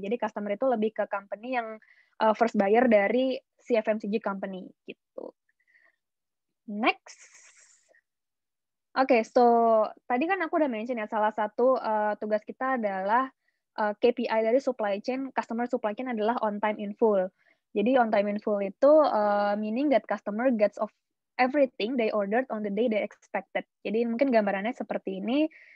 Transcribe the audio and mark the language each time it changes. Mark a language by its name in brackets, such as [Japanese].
[Indonesian] Jadi customer itu lebih ke company yang [English] first buyer [Indonesian] dari si FMCG company gitu. Next. Okay, so tadi kan aku udah mention ya, salah satu tugas kita adalah KPI dari supply chain, customer supply chain adalah on time in full. Jadi [English] on time in full itu meaning that customer gets of everything they ordered on the day they expected. [Indonesian] Jadi mungkin gambarannya seperti ini.